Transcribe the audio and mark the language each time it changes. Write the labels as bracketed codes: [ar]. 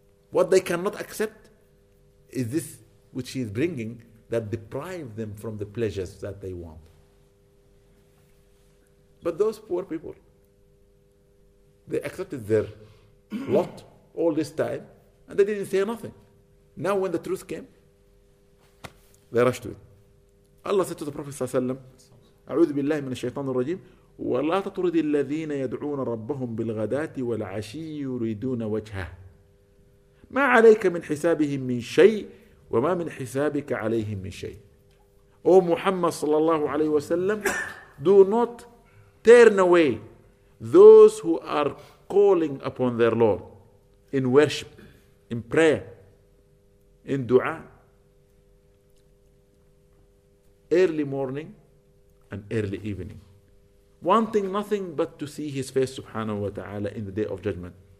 [en] What they cannot accept is this which he is bringing that deprives them from the pleasures that they want. But those poor people, they accepted their lot all this time and they didn't say nothing. Now when the truth came, they rushed to it. Allah said to the Prophet [ar] أعوذ بالله من الشيطان الرجيم ولا تطرد الذين يدعون ربهم بالغداة والعشي يريدون وجهه ما عليك من حسابهم من شيء وما من حسابك عليهم من شيء. [en] O Muhammad sallallahu alayhi wasallam, do not turn away those who are calling upon their Lord in worship, in prayer, in dua, early morning and early evening, wanting nothing but to see his face subhanahu wa ta'ala in the day of judgment.